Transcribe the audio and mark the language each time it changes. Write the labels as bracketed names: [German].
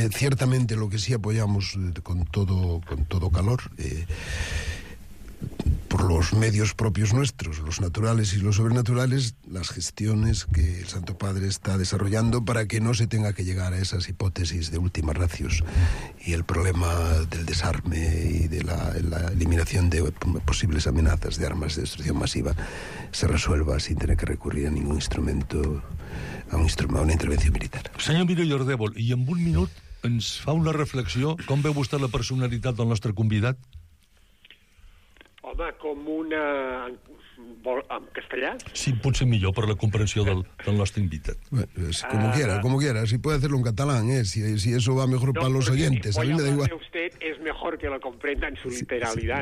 [Spanish] Ciertamente lo que sí apoyamos con todo calor, por los medios propios nuestros, los naturales y los sobrenaturales, las gestiones que el Santo Padre está desarrollando para que no se tenga que llegar a esas hipótesis de última ratio y el problema del desarme y de la eliminación de posibles amenazas de armas de destrucción masiva se resuelva sin tener que recurrir a ningún instrumento, a una intervención militar. [Catalan] Senyor Mirall Ardèvol, i en un minut ens fa una reflexió, com veu vostè la personalitat del nostre convidat? Home, com una... En castellà? Sí, potser millor per la comprensió del nostre invitat. [Spanish] Bueno, como quiera. Si puede hacerlo en catalán, si eso va mejor no, para los oyentes. Voy a hablar de usted, es mejor que lo comprenda en su literalidad,